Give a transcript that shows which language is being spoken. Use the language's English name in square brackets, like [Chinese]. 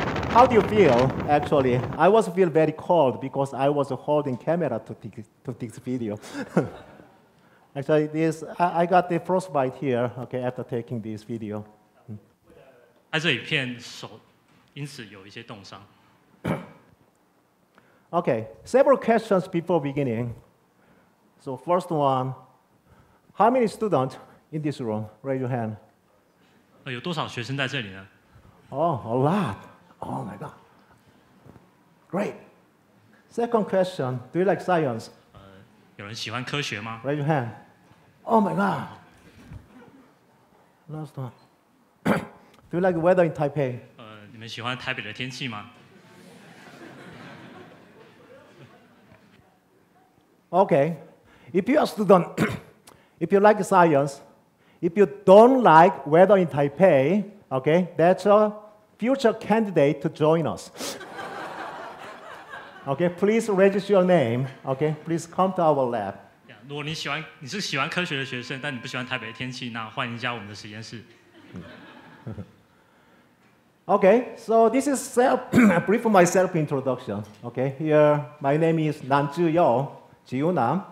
[English] How do you feel, actually? I was feel very cold because I was holding camera to take this video. Actually, this, I got the frostbite here, okay, after taking this video. [Chinese] 拍这一片手因此有一些冻伤。 [English] Okay, several questions before beginning. So first one, how many students in this room? Raise your hand. [Chinese] 有多少学生在这里呢？ [English] Oh, a lot.Oh my God! Great. Second question, do you like science? [Chinese] 有人喜欢科学吗？ [English] Raise your hand. Oh my god. Last one. Do you like weather in Taipei? [Chinese] 你们喜欢台北的天气吗？ [English] Okay. If you are student, if you like science, if you don't like weather in Taipei, okay, that's a future candidate to join us. Okay, please register your name. Okay, please come to our lab. [Chinese] Yeah, 如果你喜欢，你是喜欢科学的学生，但你不喜欢台北的天气，那欢迎加我们的实验室。 [English] Okay, so this is self, a brief myself introduction. Okay, here my name is Nan Zhiyo, Zhiyo Nan.